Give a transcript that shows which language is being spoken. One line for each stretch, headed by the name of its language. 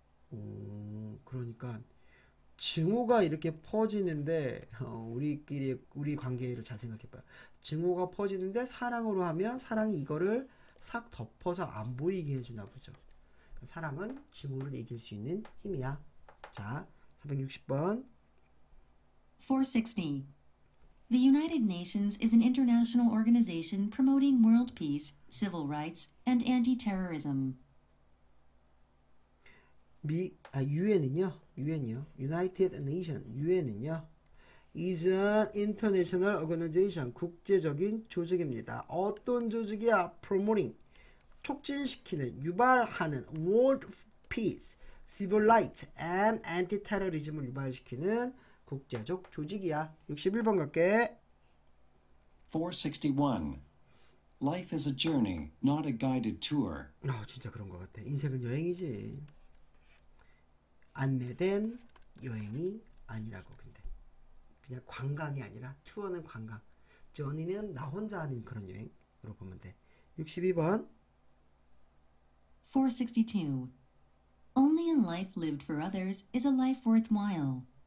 Korean: 오, 그러니까 증오가 이렇게 퍼지는데 우리끼리 우리 관계를 잘 생각해봐요. 증오가 퍼지는데 사랑으로 하면 사랑이 이거를 싹 덮어서 안 보이게 해주나 보죠. 사랑은 증오를 이길 수 있는 힘이야. 자. 460번. 460.
English: The United Nations is an international organization promoting world peace, civil rights, and anti-terrorism.
Korean: 유엔은요. United Nations, 유엔은요.
English: is an international organization,
Korean: 국제적인 조직입니다. 어떤 조직이야? promoting, 촉진시키는, 유발하는
English: world peace. Civil rights and anti-terrorism을
Korean: 유발시키는 국제적 조직이야. 61번 갈게. 461.
English: Life is a journey, not a guided tour.
Korean: 아, 진짜 그런 것 같아. 인생은 여행이지. 안내된 여행이 아니라고 근데. 그냥 관광이 아니라 투어는 관광. 저니는 나 혼자 하는 그런 여행으로 보면 돼. 62번.
English: 462. Only a life lived for others is a life worthwhile.